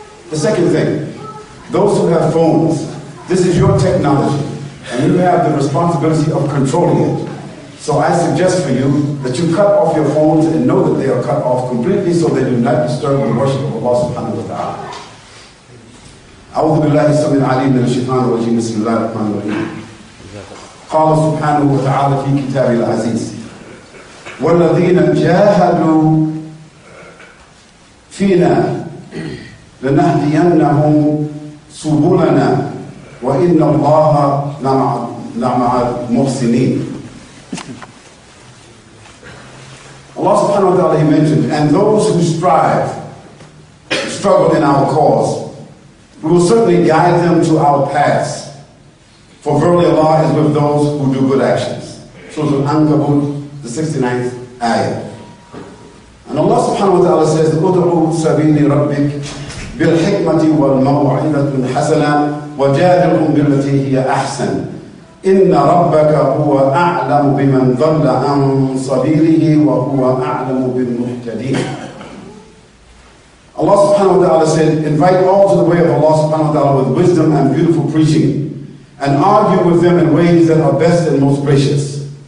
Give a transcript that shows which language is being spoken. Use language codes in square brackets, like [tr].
[en] The second thing, those who have phones, this is your technology, and you have the responsibility of controlling it. So I suggest for you that you cut off your phones and know that they are cut off completely so they do not disturb the worship of Allah subhanahu wa ta'ala. [ar] أعوذ بالله السميع العليم من الشيطان الرجيم بسم الله الرحمن الرحيم قال سبحانه وتعالى في كتاب العزيز والذين جاهدوا فينا لنهدينهم سبلنا وإن الله لمع المحسنين [en] الله سبحانه وتعالى he mentioned and those who struggle in our cause We will certainly guide them to our paths. For verily Allah is with those who do good actions. Surah Al-Ankabut, the 69th ayah. And Allah subhanahu wa ta'ala says, اُدْعُوا سَبِيلِ رَبِّكْ بِالْحِكْمَةِ وَالْمَوْعِدَةٌ حَسَنًا وَجَادِلْهُمْ بِالَّتِي هِيَ أَحْسَنًا إِنَّ رَبَّكَ هُوَ أَعْلَمُ بِمَنْ ظَلَّ عَنْ صَبِيلِهِ وَهُوَ أَعْلَمُ بِالْمُهْتَدِينَ Allah subhanahu wa ta'ala said, invite all to the way of Allah subhanahu wa ta'ala with wisdom and beautiful preaching, and argue with them in ways that are best and most gracious.